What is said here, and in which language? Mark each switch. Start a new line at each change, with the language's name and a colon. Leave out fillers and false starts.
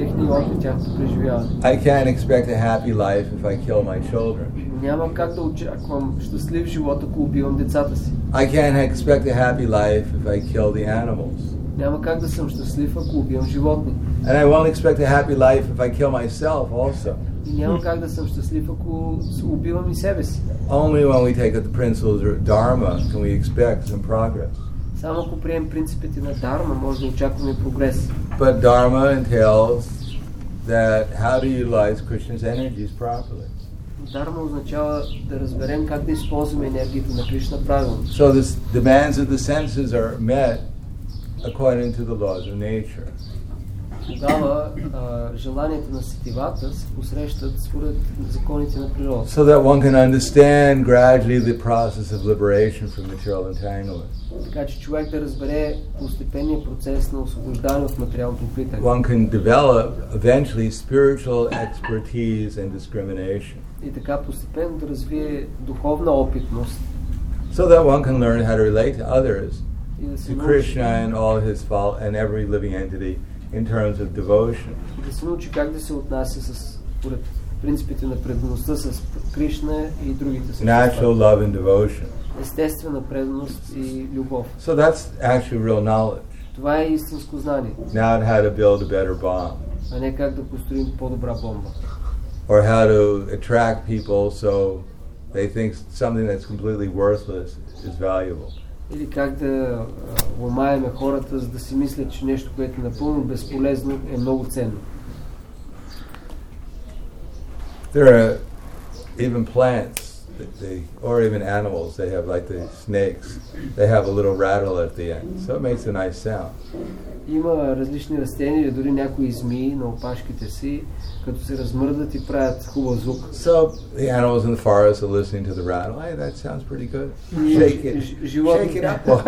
English: I can't expect a happy life if I kill my children. I can't expect a happy life if I kill the animals.
Bulgarian: Няма как да съм щастлив, ако убивам животни.
English: And I won't expect a happy life if I kill myself also.
Bulgarian: И няма как да съм щастлив, ако убивам и себе си.
English: Only when we take the principles of dharma can we expect some progress.
Bulgarian: Само ако приемем принципите на дарма, може да очакваме прогрес.
English: But dharma entails that how do you utilize Krishna's energies properly?
Bulgarian: Дарма означава да разберем как да използваме енергията на Кришна правилно.
English: So the demands of the senses are met according to the laws of nature.
Bulgarian: Тогава желанията на сетивата се посрещат според законите на природата.
English: So that one can understand gradually the process of liberation from material entanglement.
Bulgarian: Така че човек да разбере постепенния процес на освобождане от материалното опитане.
English: One can develop eventually spiritual expertise and discrimination.
Bulgarian: И така постепенно да развие духовна опитност.
English: So that one can learn how to relate to others. To Krishna and all his fault and every living entity in terms of devotion.
Bulgarian: Да се научи как да се отнася с според принципите на преданността с Кришна и другите същества.
English: Natural love and devotion.
Bulgarian: Естествена преданост и любов.
English: So that's actually real knowledge.
Bulgarian: Това е истинско знание.
English: Now how to build a better bomb.
Bulgarian: А не как да построим по-добра бомба.
English: Or how to attract people so they think something that's completely worthless is valuable.
Bulgarian: Или как да ломаеме хората, за да си мислят, че нещо, което е напълно безполезно, е много ценно.
English: There are even plants that they, or even animals, they have like the snakes. They have a little rattle at the end, so it makes a nice sound.
Bulgarian: има различни растения или дори някои змии на опашките си, като се размърдат и правят хубав звук.
English: So the animals in the forest are listening to the rattle. Hey, that sounds pretty good. Shake it. Shake it up.